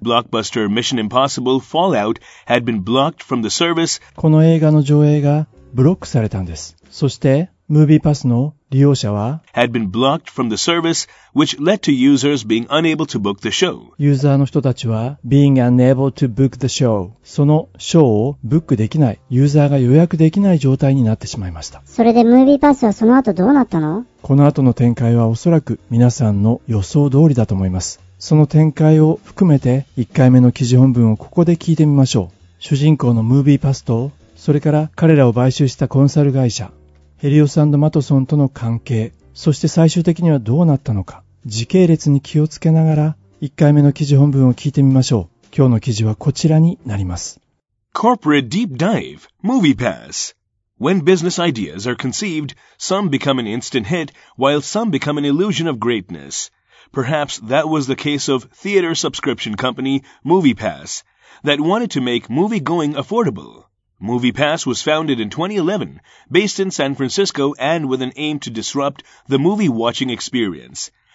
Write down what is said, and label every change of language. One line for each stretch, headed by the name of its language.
English: Blockbuster Mission Impossible Fallout had been blocked from the service.
Japanese: この映画の上映がブロックされたんです。そして、ムービーパスの利用者は
English: had been blocked from the service, which led to users being unable to book the show.
Japanese: ユーザーの人たちは
English: being unable to book the show。
Japanese: そのショーをブックできない、ユーザーが予約できない状態になってしまいました。それでムービーパスはその後どうなったの？この後の展開はおそらく皆さんの予想通りだと思います。その展開を含めて1回目の記事本文をここで聞いてみましょう。主人公のムービーパスと、それから彼らを買収したコンサル会社ヘリオス&マトソンとの関係、そして最終的にはどうなったのか、時系列に気をつけながら1回目の記事本文を聞いてみましょう。今日の記事はこちらになります。
English: Corporate Deep Dive Movie Pass。 When business ideas are conceived, some become an instant hit, while some become an illusion of greatness. Perhaps that was the case of theater subscription company MoviePass, that wanted to make movie going affordable. MoviePass was founded in 2011, based in San Francisco, and with an aim to disrupt the movie watching experience.